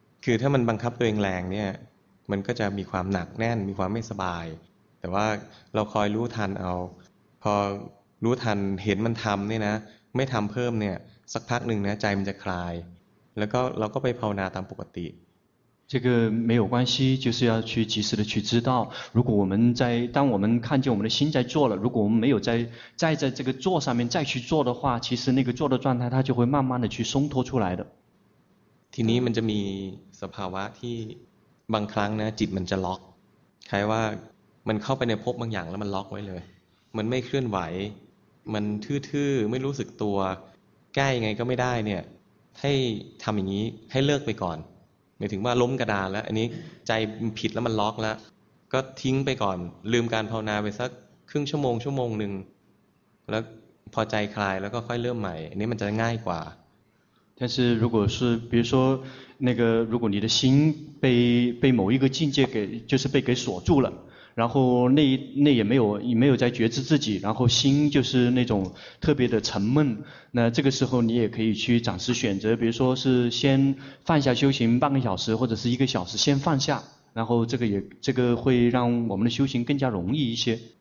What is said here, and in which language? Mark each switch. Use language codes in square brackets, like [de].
[th] คือถ้ามันบังคับตัวเองแรงเนี่ยมันก็จะมีความหนักแน่นมีความไม่สบายแต่ว่าเราคอยรู้ทันเอาพอรู้ทันเห็นมันทำนี่นะไม่ทำเพิ่มเนี่ยสักพักหนึ่งนะใจมันจะคลายแล้วก็เราก็ไปภาวนาตามปกติ [zh] 这个没有关系就是要去及时的去知道如果我们在当我们看见我们的心在做了如果我们没有在这个做上面再去做的话其实那个做的状态它就会慢慢的去松脱出来的 [th] ทีนี้มันจะมีสภาวะที่บางครั้งนะจิตมันจะล็อกคล้ายว่ามันเข้าไปในภพบางอย่างแล้วมันล็อกไว้เลยมันไม่เคลื่อนไหวมันทื่อๆไม่รู้สึกตัวใกล้ยังไงก็ไม่ได้เนี่ยให้ทำอย่างนี้ให้เลิกไปก่อนหมายถึงว่าล้มกระดานแล้วอันนี้ใจผิดแล้วมันล็อกแล้วก็ทิ้งไปก่อนลืมการภาวนาไปสักครึ่งชั่วโมงชั่วโมงนึงแล้วพอใจคลายแล้วก็ค่อยเริ่มใหม่อันนี้มันจะง่ายกว่า [zh] 但是如果是比如说那个如果你的心被某一个境界给就是被给锁住了然后那也没有在觉知自己然后心就是那种特别的沉闷那这个时候你也可以去暂时选择比如说是先放下修行半个小时或者是一个小时先放下然后这个会让我们的修行更加容易一些